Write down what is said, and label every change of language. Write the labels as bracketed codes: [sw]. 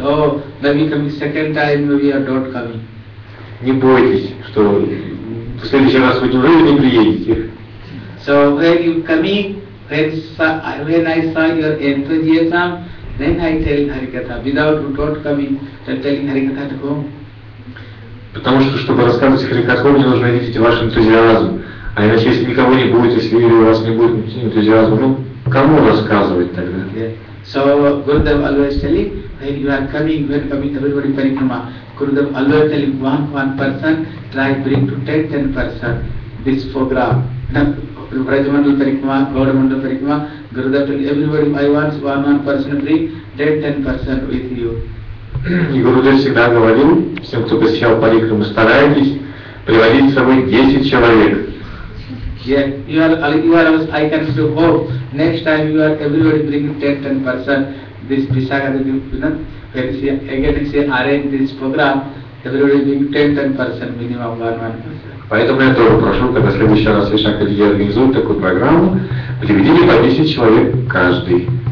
[en] Oh, let me come second time, maybe you don't come. [ru] Не бойтесь, что в следующий раз вы уже не приедете. [en] So when you come in, when I saw your entrance exam, then I tell Harikatha, without coming, then telling Harikatha to come. [ru] Потому что, чтобы рассказывать Харикатху, мне нужно видеть ваш энтузиазм. А иначе, если никого не будет, если у вас не будет энтузиазма, ну, кому рассказывать тогда? [en] So, Gurudev always telling, when you are coming, when coming, everybody parikrama. Gurudev always telling, one person, try bring to 10 person, this program. Vrajamandala Parikrama, Gaudamandala Parikrama, Gurudev told everybody, I want one person to bring 10 person with you. [ru] И Гурудев всегда говорил всем, кто посещал Парикраму, старайтесь приводить с собой 10 человек. [en] Yeah, you are I can still hope, next time you are everybody bringing 10 person, this Visakhadev, you know, when you see, again you see, arrange this program, everybody bring 10 person, minimum one. [ru] Поэтому я тоже прошу, когда в следующий раз Вишакхадеви организует такую программу, приведите по 10 человек каждый.